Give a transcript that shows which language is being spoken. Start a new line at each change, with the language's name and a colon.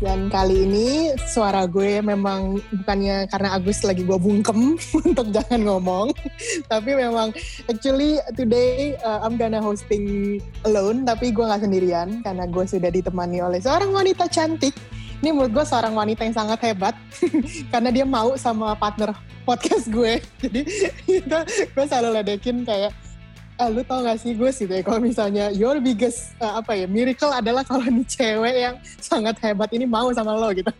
Indonesian: Dan kali ini suara gue memang bukannya karena Agus lagi gue bungkem untuk jangan ngomong. Tapi memang
English: actually today I'm gonna hosting alone.
Indonesian: Tapi gue gak sendirian karena gue sudah ditemani oleh seorang wanita cantik. Ini menurut gue seorang wanita yang sangat hebat. Karena dia mau sama partner podcast gue. Jadi itu gue selalu ledekin kayak, lu tau gak sih Gus gitu ya, kalau misalnya
English: your biggest miracle
Indonesian: adalah kalau nih cewek yang sangat hebat ini mau sama lo gitu.